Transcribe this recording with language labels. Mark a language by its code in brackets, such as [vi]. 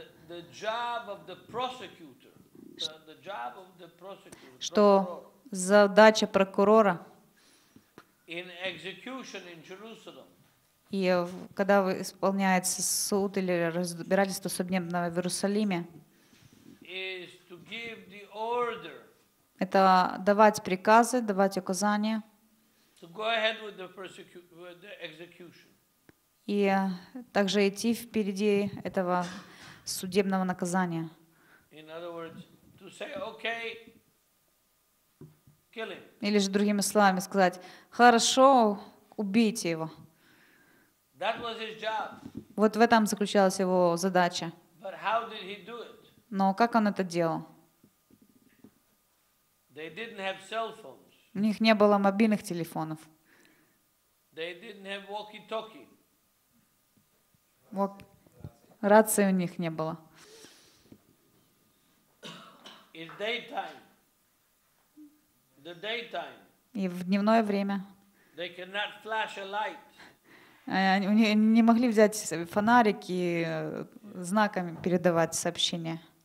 [en] The job of the prosecutor. The job of the prosecutor. [ru] Что задача прокурора? [en] In execution in Jerusalem. [ru] И когда исполняется суд или разбирательство судебное в Иерусалиме? [en] Is to give the order. [ru] Это давать приказы, давать указания. [en] So go ahead with the execution. [ru] И также идти впереди этого судебного наказания. [en] In other words, to say, okay, kill him. [ru] Или же другими словами сказать, хорошо, убейте его. [en] That was his job. [ru] Вот в этом заключалась его задача. [en] But how did he do it? [ru] Но как он это делал? [en] They didn't have cell phones. [ru] У них не было мобильных телефонов. [en] They didn't have walkie-talkie. [ru] Рации у них не было. [en] In daytime. The daytime. [ru] И в дневное время. [en] They cannot flash a light. [ru] они не могли взять фонарики, знаками передавать сообщение.